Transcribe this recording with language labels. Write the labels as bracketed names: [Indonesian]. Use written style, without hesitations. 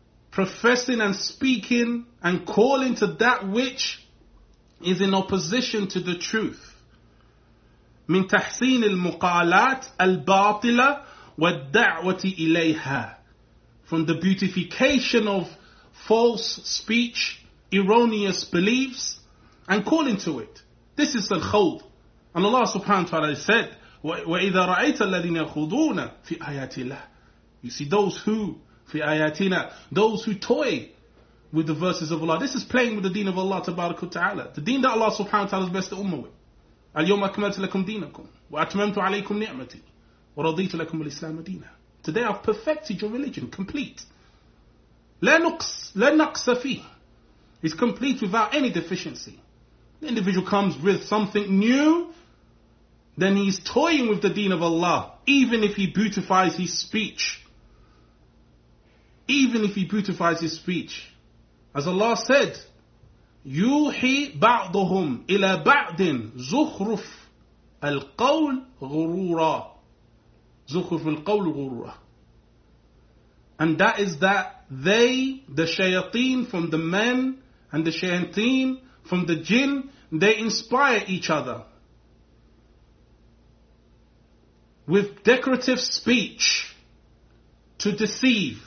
[English] Professing and speaking and calling to that which is in opposition to the truth. [Arabic] مِن تَحْسِينِ الْمُقَالَاتِ الْبَاطِلَةِ وَالدَّعْوَةِ إِلَيْهَا. [English] From the beautification of false speech, erroneous beliefs, and calling to it. This is al-khawd. And Allah subhanahu wa ta'ala said, [Arabic] وَإِذَا رَأَيْتَ الَّذِينَ يَخُضُونَ فِي آيَاتِ اللَّهِ. [English] You see those who, [Arabic] فِي آيَاتِنَا, [English] those who toy with the verses of Allah. This is playing with the deen of Allah tabarak wa ta'ala. The deen that Allah subhanahu wa ta'ala has blessed the ummah with. [Arabic] اليوم أكملت لكم دينكم وأتممت عليكم نعمتي ورضيت لكم الإسلام دينا. [English] Today I've perfected your religion, complete. [Arabic] لا نقص فيه. [English] It's complete without any deficiency. The individual comes with something new, then he's toying with the deen of Allah, even if he beautifies his speech. Even if he beautifies his speech. As Allah said, [Arabic] يُوحِي بَعْضُهُمْ إِلَى بَعْدٍ زُخْرُفْ الْقَوْلِ غُرُورًا. زُخْرُفْ الْقَوْلِ غُرُورًا. [English] And that is that they, the shayateen from the men, and the shayateen from the jinn, they inspire each other with decorative speech to deceive.